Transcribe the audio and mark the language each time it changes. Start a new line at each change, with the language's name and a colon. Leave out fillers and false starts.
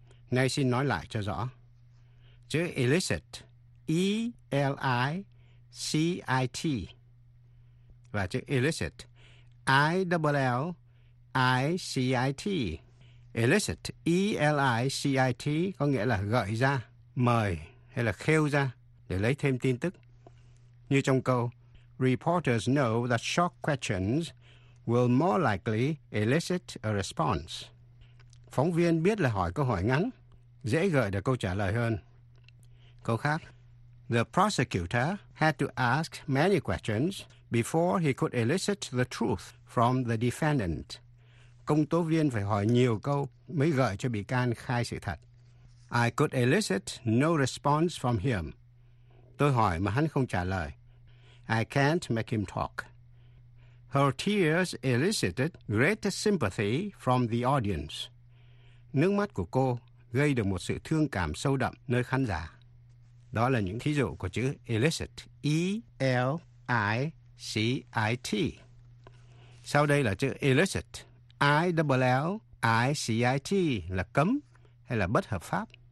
Vietnamese: Nay xin nói lại cho rõ. Chữ illicit, E-L-I-C-I-T, và chữ illicit, I-L-L-I-C-I-T. Illicit, E-L-I-C-I-T, có nghĩa là gợi ra, mời hay là khêu ra để lấy thêm tin tức. Như trong câu,
English: reporters know that short questions will more likely elicit a response.
Vietnamese: Phóng viên biết là hỏi câu hỏi ngắn, dễ gợi được câu trả lời hơn. Câu khác.
English: The prosecutor had to ask many questions before he could elicit the truth from the defendant.
Vietnamese: Công tố viên phải hỏi nhiều câu mới gợi cho bị can khai sự thật.
English: I could elicit no response from him.
Vietnamese: Tôi hỏi mà hắn không trả lời.
English: I can't make him talk. Her tears elicited greater sympathy from the audience.
Vietnamese: Nước mắt của cô gây được một sự thương cảm sâu đậm nơi khán giả. Đó là những thí dụ của chữ elicit. E-L-I-C-I-T. Sau đây là chữ elicit. I-L-L-I-C-I-T là cấm hay là bất hợp pháp.